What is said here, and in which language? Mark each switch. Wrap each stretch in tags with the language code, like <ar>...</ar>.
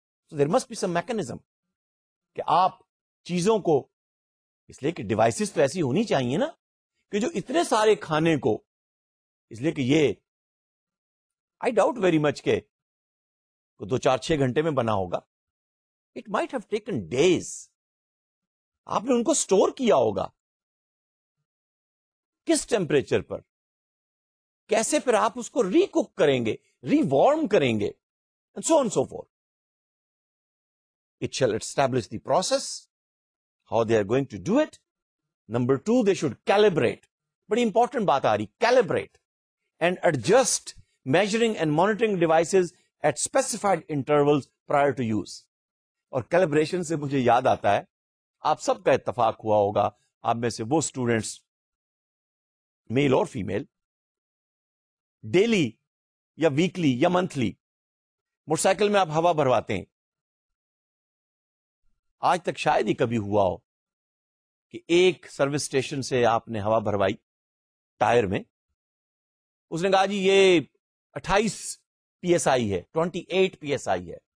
<en>so there must be some mechanism</en> <ur>کہ آپ چیزوں کو، اس لیے کہ ڈیوائسز تو ایسی ہونی چاہیے نا کہ جو اتنے سارے کھانے کو، اس لیے کہ یہ</ur> <en>I doubt very much</en> <ur>کہ دو چار چھ گھنٹے میں بنا ہوگا،</ur> <en>It might have taken days.</en> <ur>آپ نے ان کو سٹور کیا ہوگا کس ٹیمپریچر پر، کیسے پھر آپ اس کو ری کک کریں گے، ری وارم کریں گے،</ur> <en>So on so forth. It shall establish the process how they are going to do it. Number two, they should calibrate.</en> <ur>بڑی امپورٹنٹ بات آ رہی،</ur> <en>Calibrate and adjust measuring and monitoring devices at specified intervals prior to use.</en> <ur>اور calibration سے مجھے یاد آتا ہے، آپ سب کا اتفاق ہوا ہوگا، آپ میں سے وہ اسٹوڈینٹس میل اور فیمیل، ڈیلی یا ویکلی یا منتھلی موٹر سائیکل میں آپ ہوا بھرواتے ہیں، آج تک شاید ہی کبھی ہوا ہو کہ ایک سروس اسٹیشن سے آپ نے ہوا بھروائی ٹائر میں، اس نے کہا جی یہ 28 پی ایس آئی ہے، 28 پی ایس آئی ہے.</ur>